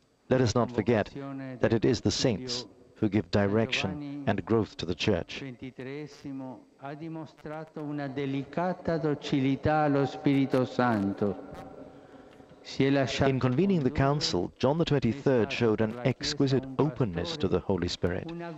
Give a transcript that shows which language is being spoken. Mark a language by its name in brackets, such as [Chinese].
[English] Let us not forget that it is the saints who give direction and growth to the Church. [Italian] Ha dimostrato una delicata docilità allo Spirito Santo. [English] In convening the Council, John the 23rd showed an exquisite openness to the Holy Spirit.